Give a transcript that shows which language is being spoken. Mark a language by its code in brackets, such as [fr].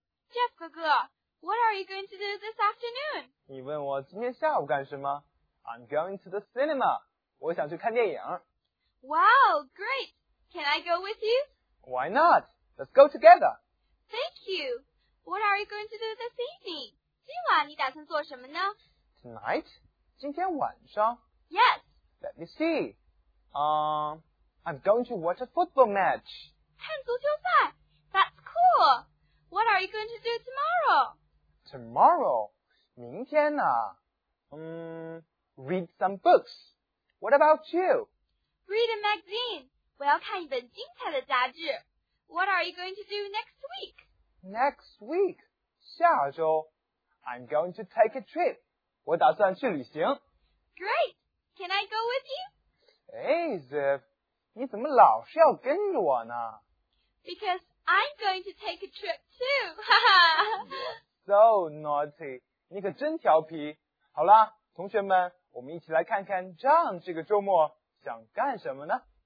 [en] Jeff 哥哥, what are you going to do this afternoon? [zh] 你问我今天下午干什么? [en] I'm going to the cinema. [zh] 我想去看电影。 [en] Wow, great. Can I go with you? Why not? Let's go together. Thank you. What are you going to do this evening? [zh] 今晚你打算做什么呢? [en] Tonight? [zh] 今天晚上? [en] Yes. Let me see. I'm going to watch a football match. [zh] 看足球赛? [en] That's cool. What are you going to do tomorrow? Tomorrow? [zh] 明天啊? [en] Read some books. What about you? Read a magazine. [zh] 我要看一本精彩的杂志。 [en] What are you going to do next week? Next week, [zh] 下周, [en] I'm going to take a trip. [zh] 我打算去旅行。 [en] Great, can I go with you? Hey, Zip, [zh] 你怎么老是要跟着我呢? [en] Because I'm going to take a trip too. So naughty, [zh] 你可真调皮。好啦，同学们，我们一起来看看 John 这个周末想干什么呢？